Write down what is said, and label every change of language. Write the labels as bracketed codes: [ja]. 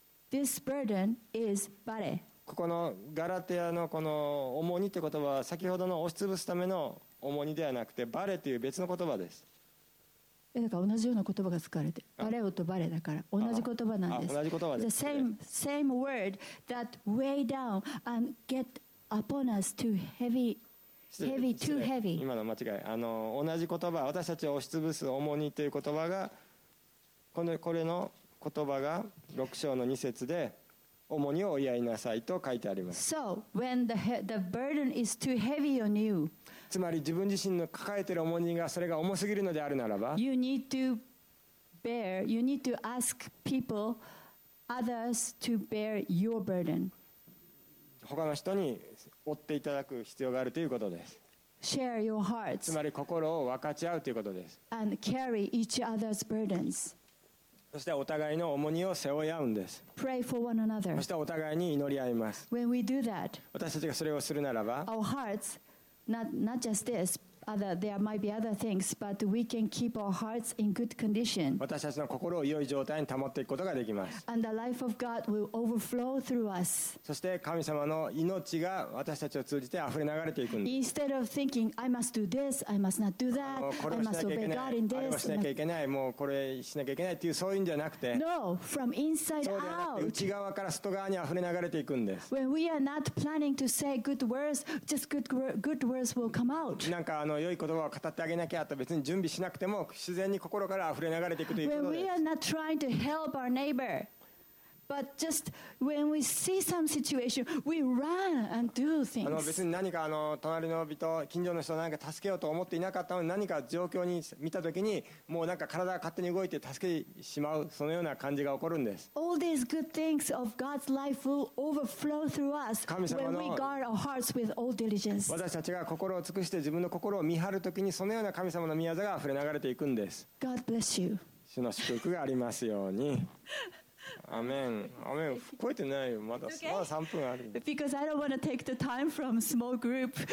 [en] This burden is バレ [ja] ここのガラテアのこの重荷という言葉は先ほどの押しつぶすための重荷ではなくてバレという別の言葉です。だから同じような言葉が使われて、バレオとバレだから同じ言葉なんです。同じ言葉です。 [en] The same word that weigh down and get upon us too heavy, heavy, too heavy. [ja] 今の間違い。同じ言葉、私たちを押しつぶす重荷という言葉が、これの言葉が6章の2節で、重荷を追い合いなさいと書いてあります。 [en] So, when the burden is too heavy on you, [ja] つまり自分自身の抱えている重荷がそれが重すぎるのであるならば、 [en] You need to bear, you need to ask people, others to bear your burden. [ja] 他の人に負っていただく必要があるということです。 [en] Share your hearts. [ja] つまり心を分かち合うということです。 [en] And carry each other's burdens. [ja] そしてお互いの重荷を背負い合うんです。 [en] Pray for one another. [ja] そしてお互いに祈り合います。 [en] When we do that, [ja] 私たちがそれをするならば、 [en] our hearts. Not just this, other, there might be other things, but we can keep our hearts in good condition. [ja] 私たちの心を良い状態に保っていくことができます。 [en] And the life of God will overflow through us. [ja] そして神様の命が私たちを通じて溢れ流れていくんです。 [en] Instead of thinking, I must do this, I must not do that, I must obey God in this. [ja] あれもしなきゃいけない、もうこれしなきゃいけないっていう、そういうんじゃなくて。 [en] No, from inside out. [ja] そうではなくて、内側から外側に溢れ流れていくんです。 [en] When we are not planning to say good words, just good words. Will come out. [ja] なんか良い言葉を語ってあげなきゃと別に準備しなくても自然に心から溢れ流れていくということです。 [en] When we are not trying to help our neighbor, but just when we see some situation, we run and do things. [ja] 別に何か隣の人、近所の人を何か助けようと思っていなかったのに、何か状況に見たときに、もうなんか体が勝手に動いて助けてしまう、そのような感じが起こるんです。 [en] All these good things of God's life will overflow through us when we guard our hearts with all diligence. [ja] 私たちが心を尽くして自分の心を見張るときに、そのような神様の御業が溢れ流れていくんです。 [en] God bless you. [ja] 主の祝福がありますように。アメン、アメン。超えてないよ、まだ3分ある。 [en] Because I don't want to take the time from small group.